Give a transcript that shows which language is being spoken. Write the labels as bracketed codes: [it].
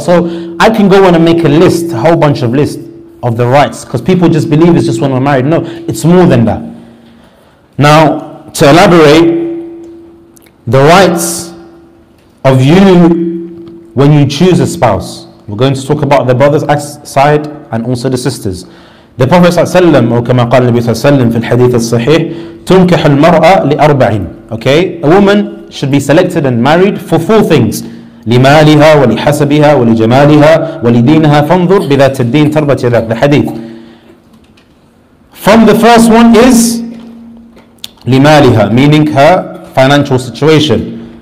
[en] So I can go on and make a list, a whole bunch of lists of the rights, because people just believe it's just when we're married. No, it's more than that. Now, to elaborate, the rights of you when you choose a spouse, we're going to talk about the brother's side and also the sister's. The Prophet ﷺ, or [ar] كما قال النبي صلى الله عليه وسلم في الحديث الصحيح, تنكح المرأة لأربعين. [en] Okay, a woman should be selected and married for four things: [ar] لمالها ولحسبها ولجمالها ولدينها فانظر بذات الدين تربت يداك. [en] The hadith. From the first one is لمالها, meaning her financial situation.